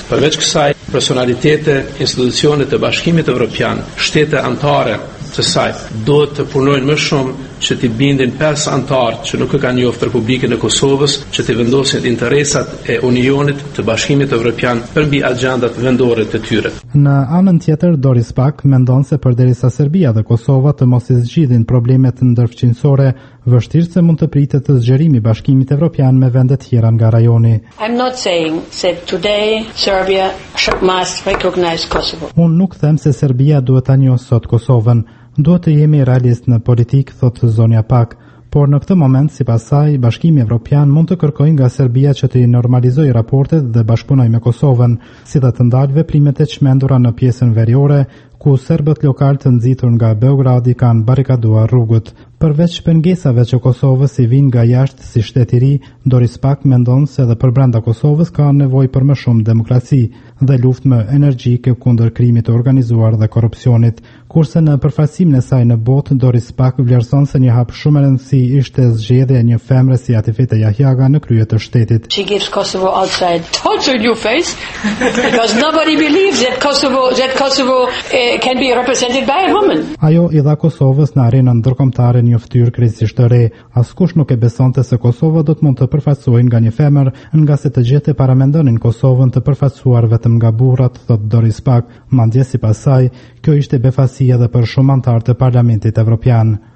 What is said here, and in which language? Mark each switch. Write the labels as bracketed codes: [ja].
[sq] Përveç kësaj, personalitete, institucionet e Bashkimit Evropian, shtete antare të saj, duhet të punojnë më shumë që t'i bindin 5 antarë që nuk e kanë njoftë Republikën e Kosovës, që t'i vendosin interesat e Unionit të Bashkimit Evropian përmbi agendat vendore të tyre. Në anën tjetër, Doris Pak mendon se përderisa Serbia dhe Kosova të mos i zgjidhin problemet ndërfqinësore, vështirë se mund të pritet të zgjerimi Bashkimit Evropian me vende të tjera nga rajoni. [en] I'm not saying that today Serbia must recognize Kosovo. [sq] Unë nuk them se Serbia duhet ta njohë sot Kosovën. Duhet të jemi realist në politikë, thot zonja Pak, por në këtë moment, si pasaj, Bashkimi Evropian mund të kërkojnë nga Serbia që të normalizojë raportet dhe bashkëpunojë me Kosovën, si dhe të ndalë veprimet e çmendura në pjesën veriore, ku serbët lokal të nxitur nga Beogradi kanë barikaduar rrugët. Përveç pengesave që Kosovës i vinë nga jashtë si shtet i ri, Doris Pak mendon se edhe për brenda Kosovës ka nevojë për më shumë demokraci dhe luftë më energjike kundër krimit të organizuar dhe korrupsionit. Kurse në përfaqësimin e saj në botë, Doris Pak vlerëson se një hap shumë e rëndësi ishte zgjedhja e një femre si Atifete Yahjaga në krye të shtetit. [en] She gives Kosovo outside totally new face because nobody believes that Kosovo can be represented by a woman. [sq] Ajo i dha Kosovës në arenën ndërkombëtare një fytyrë krejtësisht të re. Askush nuk e besonte se Kosova do të mund të përfaqësohej nga një femër, nga se të gjithë e paramendonin Kosovën të përfaqësuar vetëm nga burrat, thot Doris Pak. Madje sipas saj, kjo ishte befasia edhe për shumë antar të Parlamentit Evropian.